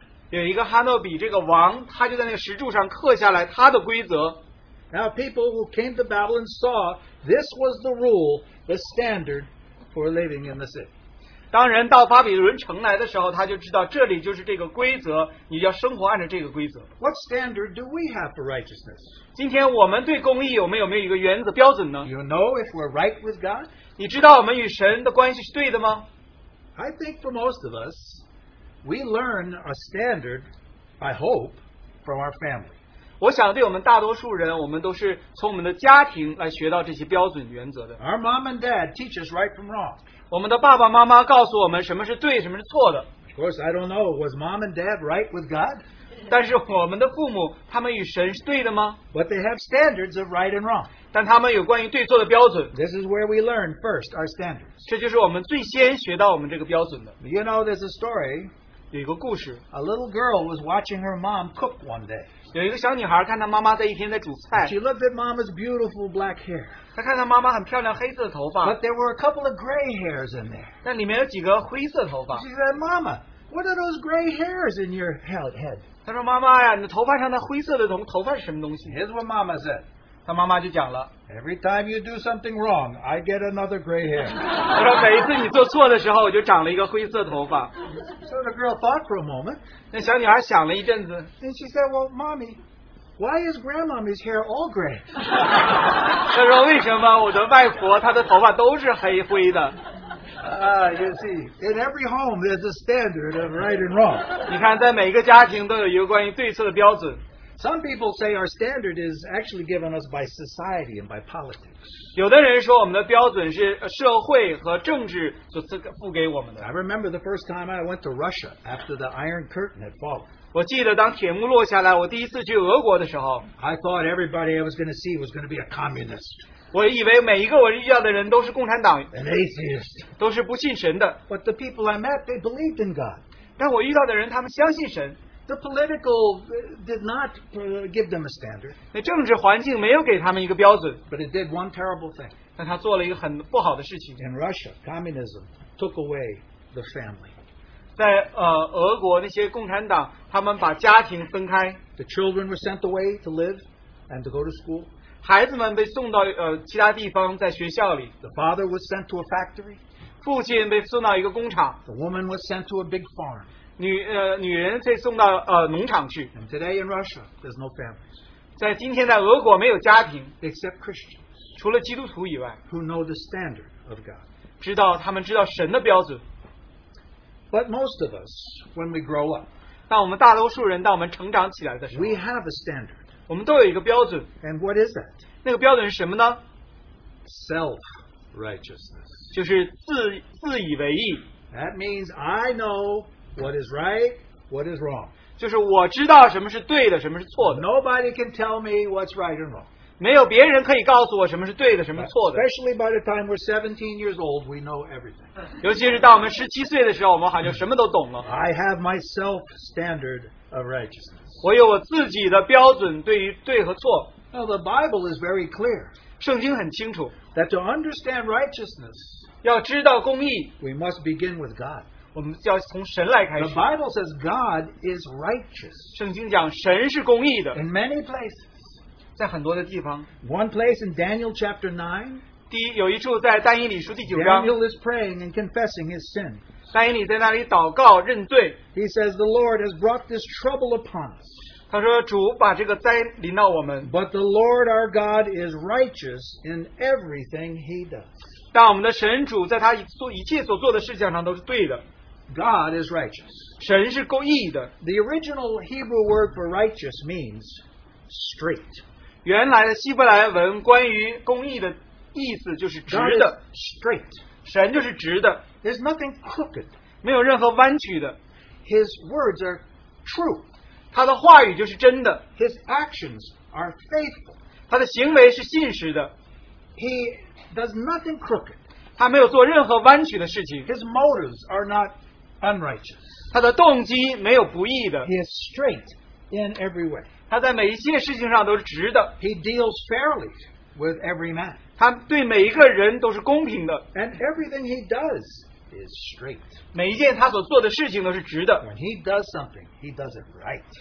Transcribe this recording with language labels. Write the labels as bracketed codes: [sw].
[zh] 有一个哈诺比这个王, 他就在那个石柱上刻下来他的规则。 [en] Now people who came to Babylon saw this was the rule, the standard for living in the city. [zh] 当人到巴比伦城来的时候，他就知道这里就是这个规则，你要生活按照这个规则。 [en] What standard do we have for righteousness? [zh] 今天我们对公义我们有没有一个原则标准呢？ [en] You know if we're right with God? [zh] 你知道我们与神的关系是对的吗？ [en] I think for most of us, we learn a standard, I hope, from our family. [zh] 我想对我们大多数人，我们都是从我们的家庭来学到这些标准原则的。 [en] Our mom and dad teach us right from wrong. [zh] 我们的爸爸妈妈告诉我们什么是对，什么是错的。 [en] Of course, I don't know. Was mom and dad right with God? [zh] 但是我们的父母，他们与神是对的吗？ [en] But they have standards of right and wrong. [zh] 但他们有关于对错的标准。 [en] This is where we learn first our standards. [zh] 这就是我们最先学到我们这个标准的。 [en] You know, there's a story. [zh] 有一个故事。 [en] A little girl was watching her mom cook one day. [zh] 有一个小女孩看她妈妈在一天在煮菜。 [en] She looked at mama's beautiful black hair. [zh] 她看她妈妈很漂亮黑色的头发。 [en] But there were a couple of gray hairs in there. [zh] 但里面有几个灰色头发。 [en] She said, Mama, what are those gray hairs in your head? [zh] 她说妈妈呀，你头发上的灰色的头发是什么东西？ [en] Here's what mama said. [zh] 她妈妈就讲了。 [en] Every time you do something wrong, I get another gray hair. [zh] 她说每一次你做错的时候，我就长了一个灰色头发。 [en] So the girl thought for a moment. [zh] 那小女孩想了一阵子。 [en] And she said, well, mommy, why is grandmommy's hair all gray? [zh] 她说为什么我的外婆她的头发都是黑灰的。 [en] You see, in every home there's a standard of right and wrong. [zh] 你看在每个家庭都有一个关于对错的标准。 [en] Some people say our standard is actually given us by society and by politics. [zh] 有的人说我们的标准是社会和政治所赋给我们的。 [en] I remember the first time I went to Russia after the Iron Curtain had fallen. [zh] 我记得当铁幕落下来，我第一次去俄国的时候。 [en] I thought everybody I was going to see was going to be a communist. [zh] 我以为每一个我遇到的人都是共产党。 [en] An atheist. [zh] 都是不信神的。 [en] But the people I met, they believed in God. [zh] 但我遇到的人，他们相信神。 [en] The political did not give them a standard. [zh] 那政治环境没有给他们一个标准。 [en] But it did one terrible thing. [zh] 但他做了一个很不好的事情。 [en] In Russia, communism took away the family. [zh] 在俄国那些共产党，他们把家庭分开。 [en] The children were sent away to live and to go to school. [zh] 孩子们被送到其他地方，在学校里。 [en] The father was sent to a factory. [zh] 父亲被送到一个工厂。 [en] The woman was sent to a big farm. [zh] 女人被送到农场去。 [en] And today in Russia, there's no families. [zh] 在今天的俄国没有家庭。 [en] Except Christians. [zh] 除了基督徒以外。 [en] Who know the standard of God. [zh] 知道他们知道神的标准。 [en] But most of us, when we grow up. [zh] 当我们大多数人当我们成长起来的时候。 [en] We have a standard. [zh] 我们都有一个标准。 [en] And what is that? [zh] 那个标准是什么呢？ [en] Self-righteousness. [zh] 就是自以为义。 [en] That means I know... What is right? What is wrong? [zh] 就是我知道什么是对的，什么是错的。 [en] Nobody can tell me what's right and wrong. [zh] 没有别人可以告诉我什么是对的，什么是错的。 [en] Especially by the time we're 17 years old, we know everything. [zh] 尤其是当我们17岁的时候，我们好像什么都懂了。 [en] I have my self-standard of righteousness. [zh] 我有我自己的标准对于对和错。 [en] Now the Bible is very clear. [zh] 圣经很清楚。 [en] That to understand righteousness, [zh] 要知道公义 [en] we must begin with God. [zh] 我们要从神来开始。 [en] The Bible says God is righteous. [zh] 圣经讲神是公义的。 [en] In many places. [zh] 在很多的地方。 [en] One place in Daniel chapter 9. [zh] 第一，有一处在但以理书第九章。 [en] Daniel is praying and confessing his sin. [zh] 但以理在那里祷告认罪。 [en] He says the Lord has brought this trouble upon us. [zh] 他说主把这个灾临到我们。 [en] But the Lord our God is righteous in everything he does. [zh] 但我们的神主在他一切所做的事情上都是对的。 [en] God is righteous. [zh] 神是公义的。 [en] The original Hebrew word for righteous means straight. [zh] 原来的希伯来文关于公义的意思就是直的。 [en] Straight. [zh] 神就是直的。 [en] There's nothing crooked. [zh] 没有任何弯曲的。 [en] His words are true. [zh] 他的话语就是真的。 [en] His actions are faithful. [zh] 他的行为是信实的。 [en] He does nothing crooked. [zh] 他没有做任何弯曲的事情。 [en] His motives are not unrighteous. [zh] 他的动机没有不义的。 [en] He is straight in every way. [zh] 他在每一件事情上都是直的。 [en] He deals fairly with every man. [zh] 他对每一个人都是公平的。 [en] And everything he does is straight. [zh] 每一件他所做的事情都是直的。 [en] When he does something, he does it right.